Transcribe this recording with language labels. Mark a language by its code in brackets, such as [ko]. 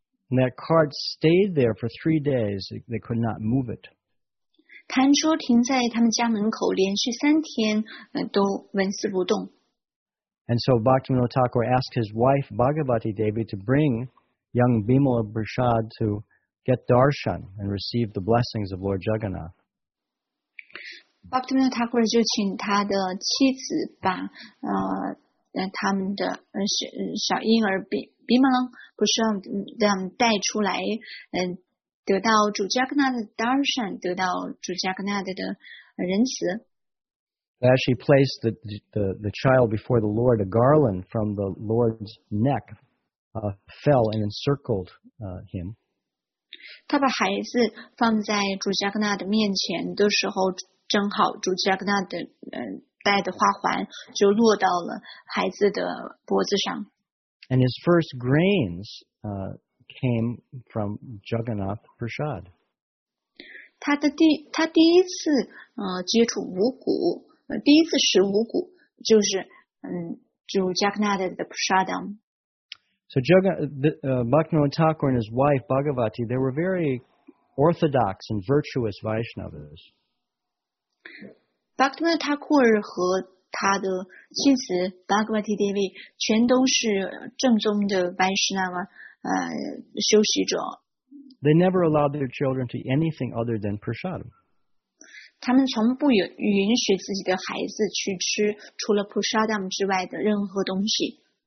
[en] And that cart stayed there for 3 days. They could not move it. [zh] 弹车停在他们家门口连续三天都纹丝不动。 [en] And so Bhaktivinoda Thakur asked his wife Bhagavati Devi to bring young Bimala Prasad to get darshan and receive the blessings of Lord Jagannath. [zh] Bhaktivinoda Thakur 就请他的妻子把他们的小婴儿Bimala Prasad 带出来，得到主 Jagannath 的 darshan， 得到主 Jagannath 的仁慈。 [en] As she placed the child before the Lord, a garland from the Lord's neck fell and encircled him. [zh] 她把孩子放在主加格纳的面前的时候，正好主加格纳的戴的花环就落到了孩子的脖子上。 [en] And his first grains came from Jagannath Prasad. [zh] 她第一次接触五谷。第一次食五谷就是主 Jagannath 的 prasadam。 [en] So Bhaktivinoda Thakur and his wife Bhagavati, they were very orthodox and virtuous Vaishnavas. [zh] Bhaktivinoda Thakur 和他的妻子 Bhagavati Devi 全都是正宗的 Vaishnava 修习者。 [en] They never allowed their children to eat anything other than prasadam. [zh] 他们从不允许自己的孩子去吃除了 prasadam 之外的任何东西。